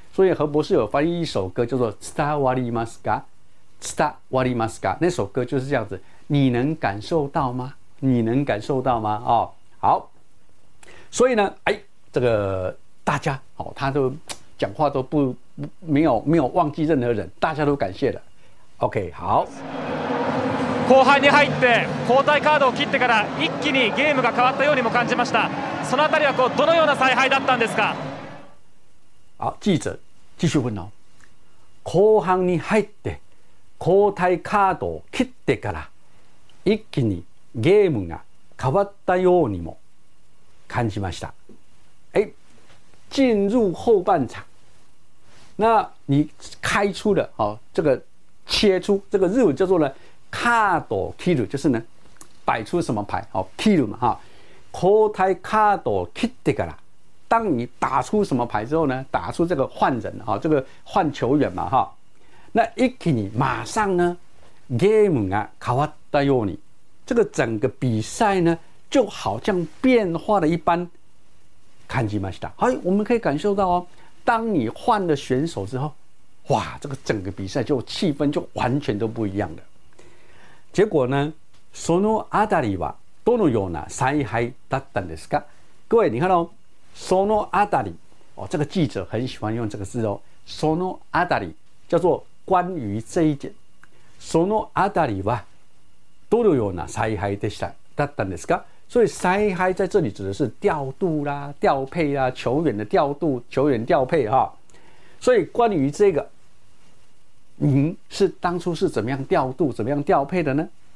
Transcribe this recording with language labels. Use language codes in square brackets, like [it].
[zh] 所以何博士有翻译一首歌叫做《伝わりますか》，伝わりますか，那首歌就是这样子，你能感受到吗？你能感受到吗？哦，好。所以呢，哎，这个大家哦，他都讲话都不没有忘记任何人，大家都感谢了。 OK、 好、 [ja] 後半に入って交代カードを切ってから一気にゲームが変わったようにも感じました。そのあたりはこうどのような采配だったんですか。 [zh] 好、記者继续问哦、 [ja] 後半に入って交代カードを切ってから一気にゲームが変わったようにも感じました。 [zh] 进入后半场，那你开出的啊、哦，这个切出这个日文叫做呢 ，card kill， 就是呢，摆出什么牌？哦 ，kill 嘛哈。 [ja] 交代カード切ってから， [zh] 当你打出什么牌之后呢？打出这个换人啊、哦，这个换球员嘛哈、哦。那一気に马上呢 ， [ja] game が変わったように， [zh] 这个整个比赛呢就好像变化了一般。 [ja] 感じました。 [zh] はい、我们可以感受到哦，当你换了选手之后，哇，这个整个比赛就气氛就完全都不一样了。结果呢， [ja] そのあたりはどのような采配だったんですか？ [zh] 各位，你看哦，そのあたり，哦，这个记者很喜欢用这个字哦，そのあたり叫做关于这一点， [ja] そのあたりはどのような采配でした、だったんですか？ [zh] 所以采配在这里指的是调度啦、调配啦、球员的调度、球员调配哈。所以关于这个，您是当初是怎么样调度、怎么样调配的呢？